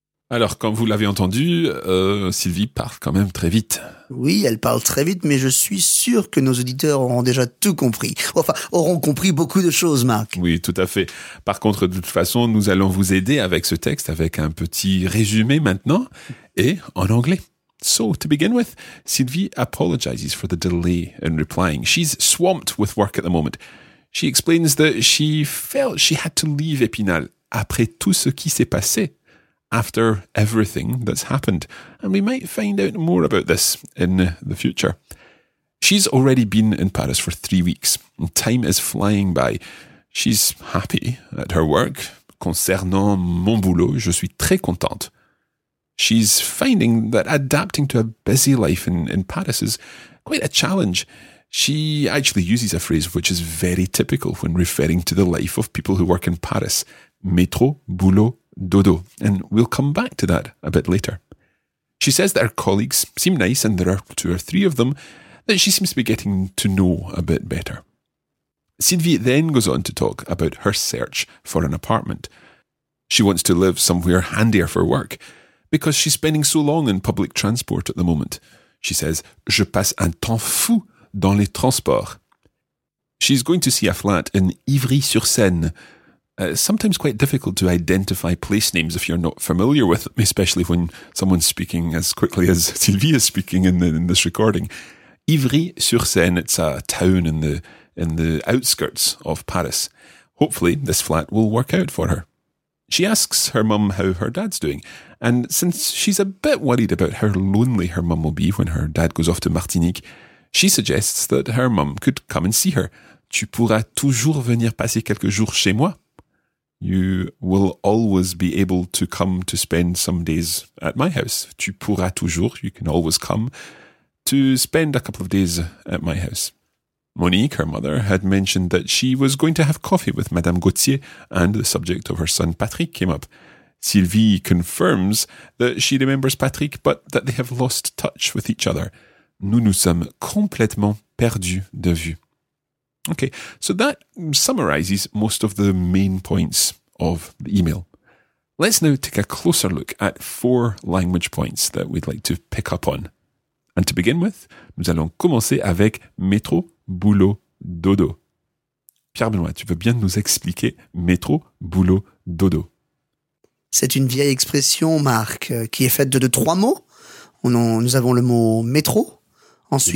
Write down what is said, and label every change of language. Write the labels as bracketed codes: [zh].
[fr] Alors, comme vous l'avez entendu, Sylvie parle quand même très vite. Oui, elle parle très vite, mais je suis sûr que nos auditeurs auront déjà tout compris. Enfin, auront compris beaucoup de choses, Marc. Oui, tout à fait. Par contre, de toute façon, nous allons vous aider avec ce texte, avec un petit résumé maintenant, et en anglais. [en] So, to begin with, Sylvie apologizes for the delay in replying. She's swamped with work at the moment. She explains that she felt she had to leave Épinal [fr] après tout ce qui s'est passé. [en] After everything that's happened, and we might find out more about this in the future. She's already been in Paris for 3 weeks, and time is flying by. She's happy at her work. [fr] Concernant mon boulot, je suis très contente. [en] She's finding that adapting to a busy life in Paris is quite a challenge. She actually uses a phrase which is very typical when referring to the life of people who work in Paris. [fr] Métro, boulot, dodo, [en] and we'll come back to that a bit later. She says that her colleagues seem nice and there are two or three of them that she seems to be getting to know a bit better. Sylvie then goes on to talk about her search for an apartment. She wants to live somewhere handier for work because she's spending so long in public transport at the moment. She says, [fr] "Je passe un temps fou dans les transports." [en] She's going to see a flat in Ivry-sur-Seine. Sometimes quite difficult to identify place names if you're not familiar with them, especially when someone's speaking as quickly as Sylvie is speaking in this recording. Ivry-sur-Seine, it's a town in the outskirts of Paris. Hopefully this flat will work out for her. She asks her mum how her dad's doing, and since she's a bit worried about how lonely her mum will be when her dad goes off to Martinique, she suggests that her mum could come and see her. [fr] Tu pourras toujours venir passer quelques jours chez moi. [en] You will always be able to come to spend some days at my house. [fr] Tu pourras toujours, [en] you can always come to spend a couple of days at my house. Monique, her mother, had mentioned that she was going to have coffee with Madame Gauthier, and the subject of her son Patrick came up. Sylvie confirms that she remembers Patrick, but that they have lost touch with each other. [fr] Nous nous sommes complètement perdus de vue. [en] Okay, so that summarizes most of the main points of the email. Let's now take a closer look at four language points that we'd like to pick up on. And to begin with, [fr] nous allons commencer avec métro, boulot, dodo. Pierre-Benoît, tu veux bien nous expliquer métro, boulot, dodo? C'est une vieille expression, Marc, qui est faite de trois mots. Nous avons le mot métro. Ensuite,